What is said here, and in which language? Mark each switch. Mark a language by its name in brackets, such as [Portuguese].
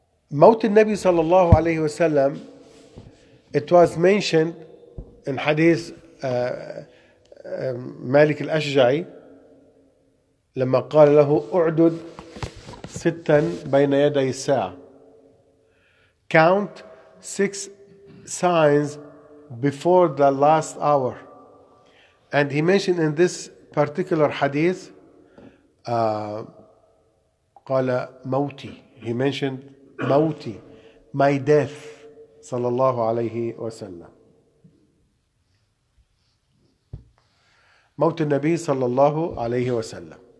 [Arabic] موت النبي صلى الله عليه وسلم, [English] it was mentioned in [Arabic] حديث مالك الأشجعي لما قال له أعدد ستا بين يدي الساعة. [English] Count six signs before the last hour. And he mentioned in this particular hadith, [Arabic] قال موتي. [English] He mentioned موتي, my death, صلى الله عليه وسلم. [Arabic] موت النبي صلى الله عليه وسلم.